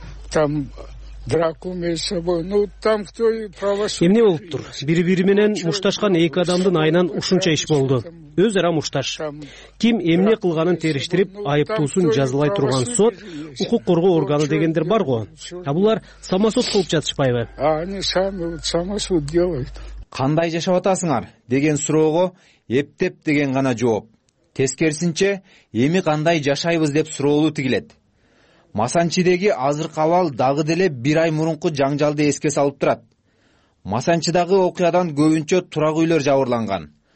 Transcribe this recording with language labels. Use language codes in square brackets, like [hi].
[ru] Там драку между собой. Ну там кто и правосудие. [ky] Эмне болуптур? Бири-бири менен мушташкан эки адамдын айынан ушунча иш болду. Өз ара мушташ. Ким эмне кылганын териштирип, айыптуусун жазылай турган сот, укук коргоо органы дегендер бар го. А булар самосуд кылып жатышпайбы? [ru] А они сами вот самосуд делают. [ky] Кандай жашап атасыңар деген суроого эптеп деген гана жооп. Тескерисинче эми кандай жашайбыз деп суроолу тигилет. Масанчыдагы азыркы абал дагы деле бир ай мурунку жаңжалды эске салып турат. Масанчыдагы окуядан көбүнчө турак үйлөр жабырланган.